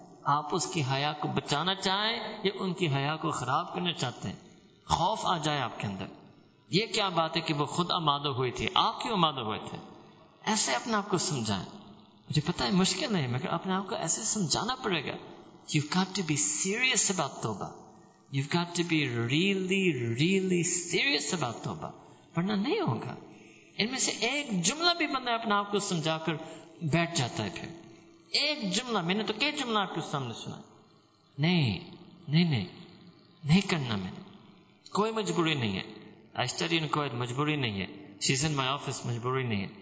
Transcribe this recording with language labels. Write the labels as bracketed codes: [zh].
[ur] آپ اس کی حیا کو بچانا چاہیں یا ان کی حیا کو خراب کرنا چاہتے ہیں؟ خوف آ جائے آپ کے اندر, یہ کیا بات ہے کہ وہ خود آمادہ ہوئی تھی, آپ کیوں آمادہ ہوئے تھے؟ ایسے اپنے آپ کو سمجھائیں. مجھے پتا ہے مشکل نہیں, مگر اپنے آپ کو ایسے سمجھانا پڑے گا. [en] You've got to be serious about توبہ. You've got to be really, really serious about توبہ. [ur] ورنہ نہیں ہوگا. ان میں سے ایک جملہ بھی بندہ اپنے آپ کو سمجھا کر بیٹھ جاتا ہے. پھر ایک جملہ, میں نے تو کئی جملہ آپ کے سامنے سنا, نہیں کرنا, میں نے کوئی مجبوری نہیں ہے. [en] I study in Kuwait, [ur] مجبوری نہیں ہے. [en] She is in my office, مجبوری نہیں ہے.